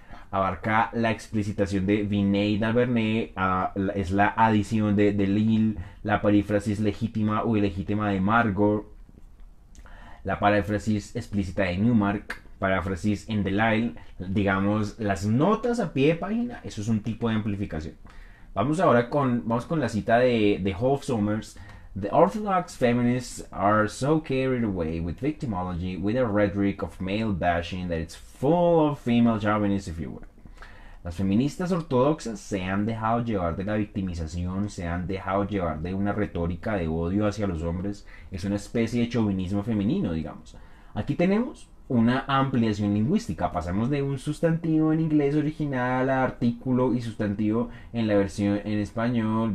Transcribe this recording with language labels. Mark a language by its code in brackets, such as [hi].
[es] Abarca la explicitación de Vinay d'Albernay, es la adición de Delille, la perífrasis legítima o ilegítima de Margot, la paráfrasis explícita de Newmark, paráfrasis en Delille, digamos, las notas a pie de página, eso es un tipo de amplificación. Vamos ahora vamos con la cita de Hof Sommers: [en] The Orthodox feminists are so carried away with victimology, with a rhetoric of male bashing that it's full of female chauvinists, if you will. [es] Las feministas ortodoxas se han dejado llevar de la victimización, se han dejado llevar de una retórica de odio hacia los hombres. Es una especie de chauvinismo femenino, digamos. Aquí tenemos una ampliación lingüística. Pasamos de un sustantivo en inglés original a artículo y sustantivo en la versión en español.